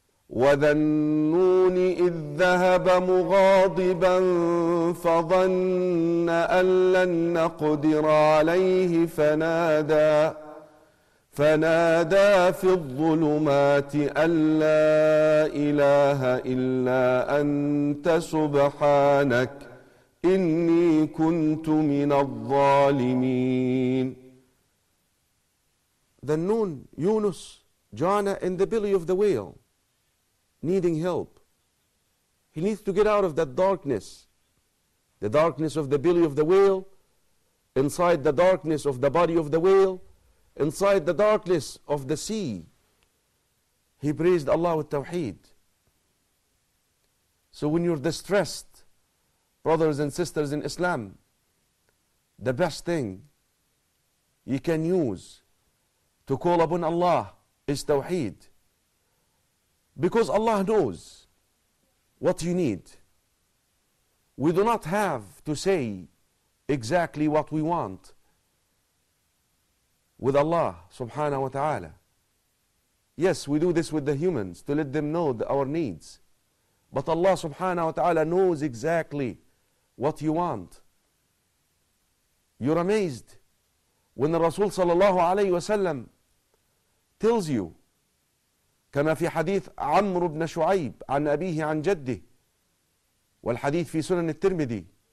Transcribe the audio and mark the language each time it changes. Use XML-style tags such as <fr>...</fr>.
<ar>وَذَنُّونِ إِذْ ذَهَبَ مُغَاضِبًا فَظَنَّ أَنْ لَنْ نَقْدِرَ عَلَيْهِ فنادى في الظلمات أن لا إله إلا أنت سبحانك إني كنت من الظالمين.</ar> <en>The noon, Yunus, Jana in the belly of the whale, needing help. He needs to get out of that darkness. The darkness of the belly of the whale, inside the darkness of the body of the whale, inside the darkness of the sea. He praised Allah with Tawhid. So when you're distressed, brothers and sisters in Islam, the best thing you can use to call upon Allah is Tawhid. Because Allah knows what you need. We do not have to say exactly what we want with Allah subhanahu wa ta'ala. Yes, we do this with the humans to let them know our needs. But Allah subhanahu wa ta'ala knows exactly what you want. You're amazed when the Rasul sallallahu alayhi wa sallam tells you,</en> <ar>كما في حديث عمرو بن شعيب عن أبيه عن جده والحديث في سنن الترمذي.</ar>